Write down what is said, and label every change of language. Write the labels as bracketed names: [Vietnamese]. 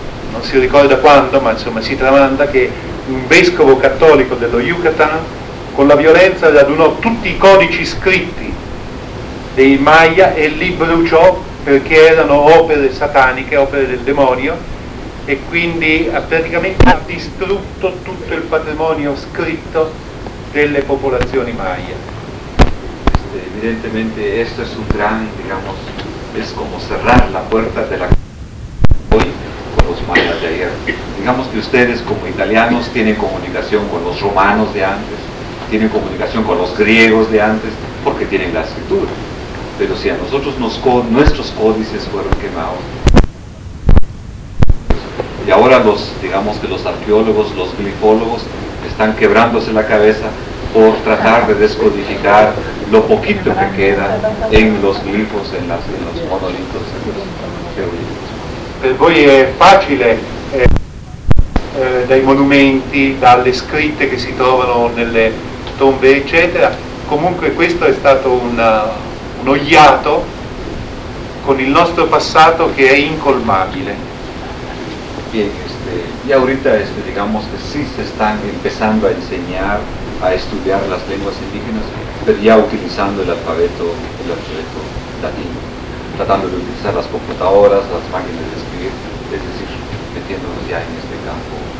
[Italian] Non si ricorda quando, ma insomma si tramanda che un vescovo cattolico dello Yucatan con la violenza radunò tutti i codici scritti dei maya e li bruciò perché erano opere sataniche, opere del demonio, e quindi praticamente ha distrutto tutto il patrimonio scritto delle popolazioni maya. Evidentemente questo è un gran, [Spanish] digamos, [Italian] è come [Spanish] cerrar la puerta [Italian] della [Spanish] hoy con los mayas de ayer. Digamos que ustedes como italianos tienen comunicación con los romanos de antes, tienen comunicación con los griegos de antes, porque tienen la escritura. Pero si a nosotros nuestros códices fueron quemados, y ahora los arqueólogos, los glifólogos, están quebrándose la cabeza por tratar de descodificar lo poquito que queda en los glifos, en los monolitos, en los geolitos. [Italian] Per voi è facile dai monumenti, dalle scritte che si trovano nelle tombe, eccetera. Comunque questo è stato un ogliato con il nostro passato che è incolmabile. [Spanish] Bien, y ahorita digamos que sí se están empezando a enseñar, a estudiar las lenguas indígenas, pero ya utilizando el alfabeto latino, tratando de utilizar las computadoras, las máquinas de escribir, es decir, metiéndonos ya en este campo.